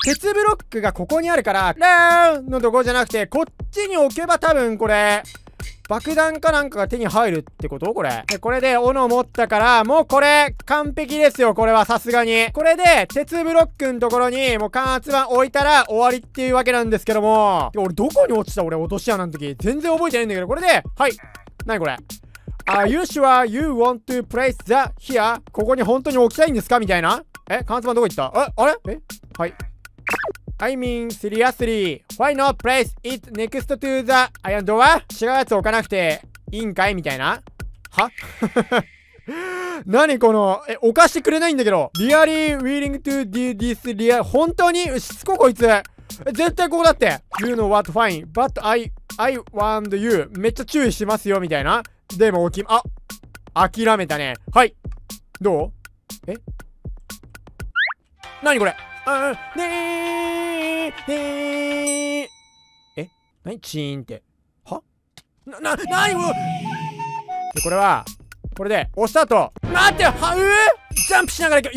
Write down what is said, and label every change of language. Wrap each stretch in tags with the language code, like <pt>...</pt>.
<ja>鉄ブロックがここにあるから、ラーンのとこじゃなくて、こっちに置けば多分これ、爆弾かなんかが手に入るってことこれ。で、これで斧持ったから、もうこれ、完璧ですよ。これはさすがに。これで、鉄ブロックのところに、もう感圧板置いたら終わりっていうわけなんですけども。俺どこに落ちた？俺落とし穴の時。全然覚えてないんだけど、これで、はい。何これ、</ja> <en>Are you sure you want to place the here?</en> <ja>ここに本当に置きたいんですかみたいな。え、カンスマンどこ行った。あれ、え、はい。</ja> <en>I mean seriously, why not place it next to the iron door?</en> <ja>違うやつ置かなくていいんかいみたいな。は何この、え、置かしてくれないんだけど。</ja> <en>Really willing to do this, really?</en> <ja>本当にしつこ、こいつ。絶対ここだって。</ja> <en>You know what, fine, but I warned you.</en> <ja>めっちゃ注意しますよみたいな。でも置き、あ、諦めたね。はい、どう、え、何これ。ねえ、え、何、チーンって、は、な、何、うこれは、これで押した後、待って、は、うぅ、ジャンプしながら行く。</ja>